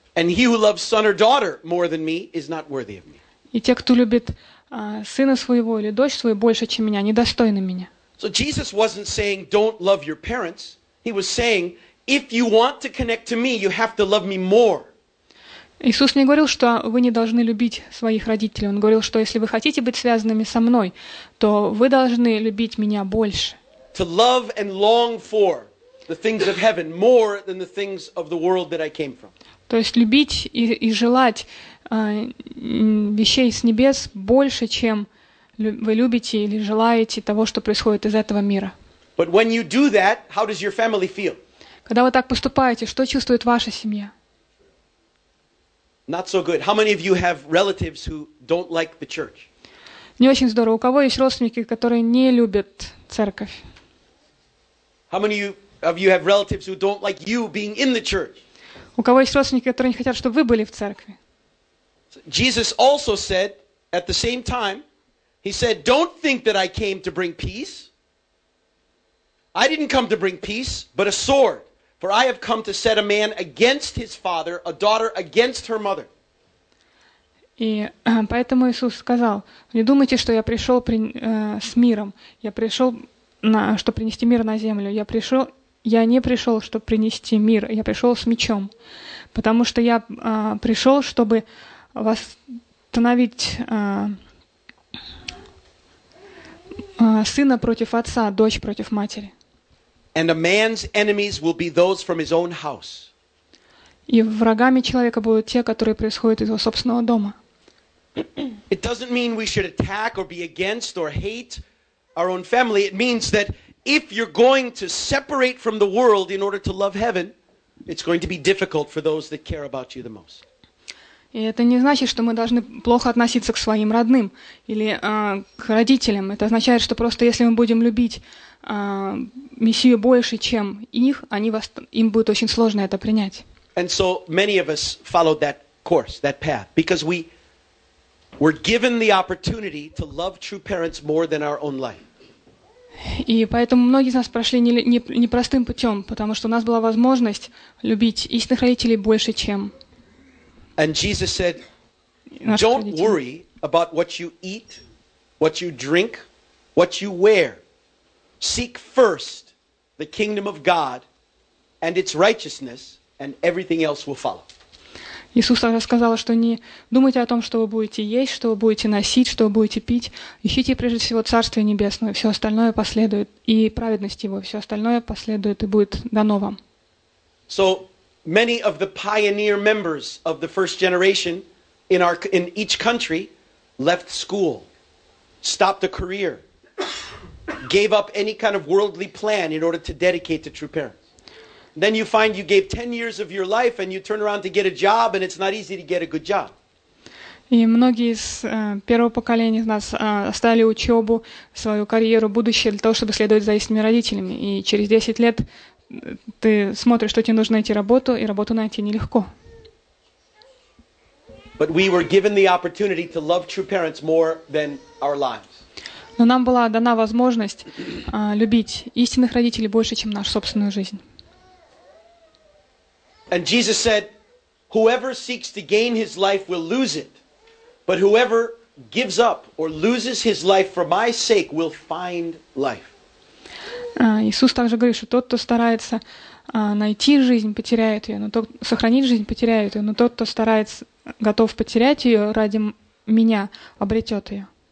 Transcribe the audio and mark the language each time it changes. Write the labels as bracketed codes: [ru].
[en] And he who loves son or daughter more than me is not worthy of me. [ru] И те, кто любит сына своего или дочь свою больше, чем меня, недостойны меня. [en] So Jesus wasn't saying, don't love your parents. He was saying, if you want to connect to me, you have to love me more. [ru] Иисус не говорил, что вы не должны любить своих родителей. Он говорил, что если вы хотите быть связанными со мной, то вы должны любить меня больше. [en] To love and long for the things of heaven more than the things of the world that I came from. [ru] То есть любить и желать вещей с небес больше, чем вы любите или желаете того, что происходит из этого мира. [en] But when you do that, how does your family feel? [ru] Когда вы так поступаете, что чувствует ваша семья? [en] Not so good. How many of you have relatives who don't like the church? [ru] Не очень здорово. У кого есть родственники, которые не любят церковь? [en] How many of you have relatives who don't like you being in the church? [ru] У кого есть родственники, которые не хотят, чтобы вы были в церкви? [en] Jesus also said at the same time, he said, "Don't think that I came to bring peace. I didn't come to bring peace, but a sword. For I have come to set a man against his father, a daughter against her mother." [ru] И поэтому Иисус сказал: "Не думайте, что я пришел с миром. Я пришел, чтобы принести мир на землю. Я не пришел, чтобы принести мир. Я пришел с мечом, потому что я пришел, чтобы восстановить сына против отца, дочь против матери." [en] And a man's enemies will be those from his own house. [ru] И врагами человека будут те, которые происходят из его собственного дома. [en] It doesn't mean we should attack or be against or hate our own family. It means that if you're going to separate from the world in order to love heaven, it's going to be difficult for those that care about you the most. [ru] И это не значит, что мы должны плохо относиться к своим родным или к родителям. Это означает, что просто если мы будем любить Мессию больше, чем их, им будет очень сложно это принять. [en] And so many of us followed that course, that path, because we were given the opportunity to love true parents more than our own life. [ru] И поэтому многие из нас прошли непростым путем, потому что у нас была возможность любить истинных родителей больше, чем. [en] And Jesus said, "Don't worry about what you eat, what you drink, what you wear. Seek first the kingdom of God and its righteousness, and everything else will follow." [ru] Иисус также сказал, что не думайте о том, что вы будете есть, что вы будете носить, что вы будете пить. Ищите прежде всего Царствие Небесное, все остальное последует, и праведность Его, все остальное последует и будет дано вам. [en] So, many of the pioneer members of the first generation in each country left school, stopped a career, gave up any kind of worldly plan in order to dedicate to true parents. Then you find you gave 10 years of your life and you turn around to get a job and it's not easy to get a good job. [ru] И многие из первого поколения из нас оставили учебу, свою карьеру, будущее для того, чтобы следовать за истинными родителями. И через 10 лет ты смотришь, что тебе нужно найти работу, и работу найти нелегко. [en] But we were given the opportunity to love true parents more than our lives. [ru] Но нам была дана возможность любить истинных родителей больше, чем нашу собственную жизнь. [en] And Jesus said, "Whoever seeks to gain his life will lose it, but whoever gives up or loses his life for my sake will find life." [ru] Иисус также говорит, что тот, кто старается найти жизнь, потеряет ее, но тот, кто старается, готов потерять ее ради меня, обретет ее.